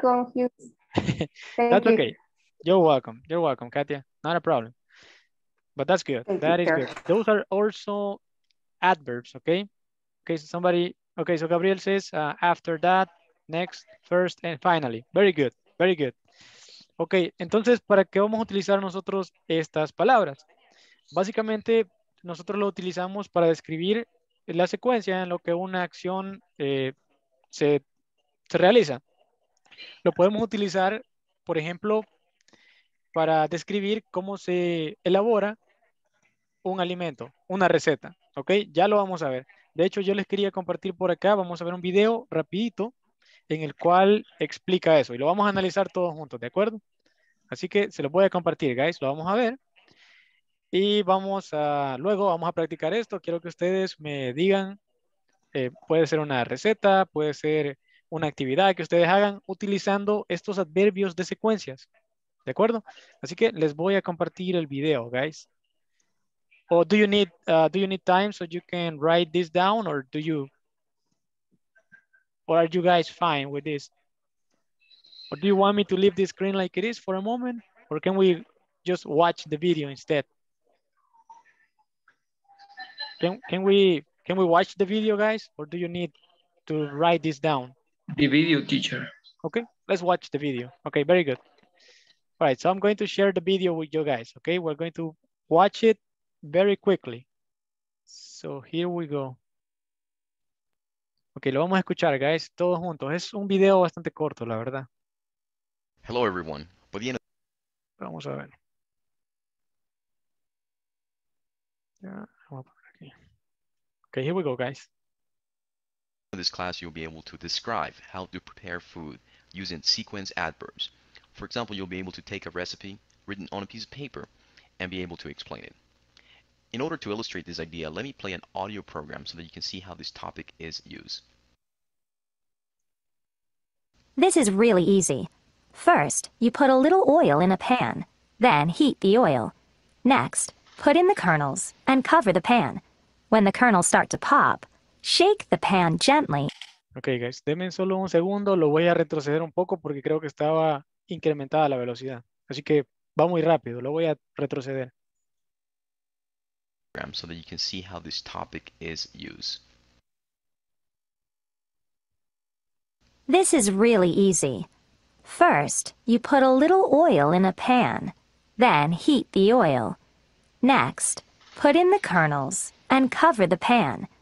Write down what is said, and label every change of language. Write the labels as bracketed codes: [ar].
[en] I'm confused. That's okay. You're welcome. You're welcome, Katia. Not a problem. But that's good. That is good. Those are also adverbs, okay? Okay, so somebody, okay, so Gabriel says after that, next, first, and finally. Very good. Very good. [es] Okay, entonces, ¿para qué vamos a utilizar nosotros estas palabras? Básicamente, nosotros lo utilizamos para describir la secuencia en lo que una acción se realiza. Lo podemos utilizar, por ejemplo, para describir cómo se elabora un alimento, una receta, ¿ok? Ya lo vamos a ver. De hecho, yo les quería compartir por acá, vamos a ver un video rapidito en el cual explica eso y lo vamos a analizar todos juntos, ¿de acuerdo? Así que se lo voy a compartir, guys, lo vamos a ver y vamos a, luego vamos a practicar esto. Quiero que ustedes me digan, puede ser una receta, puede ser una actividad que ustedes hagan utilizando estos adverbios de secuencias, ¿de acuerdo? Así que les voy a compartir el video, guys. [en] Or do you need time so you can write this down, or do you, or are you guys fine with this? Or do you want me to leave the screen like it is for a moment, or can we just watch the video instead? Can we watch the video, guys, or do you need to write this down? The video, teacher. Okay, let's watch the video. Okay, very good. All right, so I'm going to share the video with you guys. Okay, we're going to watch it very quickly. So here we go. [es] Okay, lo vamos a escuchar, guys, todos juntos. Es un video bastante corto, la verdad. [en] Hello, everyone. [es] Vamos a ver. [en] Okay, here we go, guys. In this class, you'll be able to describe how to prepare food using sequence adverbs. For example, you'll be able to take a recipe written on a piece of paper and be able to explain it. In order to illustrate this idea, let me play an audio program so that you can see how this topic is used. This is really easy. First, you put a little oil in a pan, then heat the oil. Next, put in the kernels and cover the pan. When the kernels start to pop, shake the pan gently. [es] Okay, guys, denme solo un segundo, lo voy a retroceder un poco porque creo que estaba incrementada la velocidad. Así que va muy rápido, lo voy a retroceder. [en] So that you can see how this topic is used. This is really easy. First, you put a little oil in a pan, then heat the oil. Next, put in the kernels and cover the pan.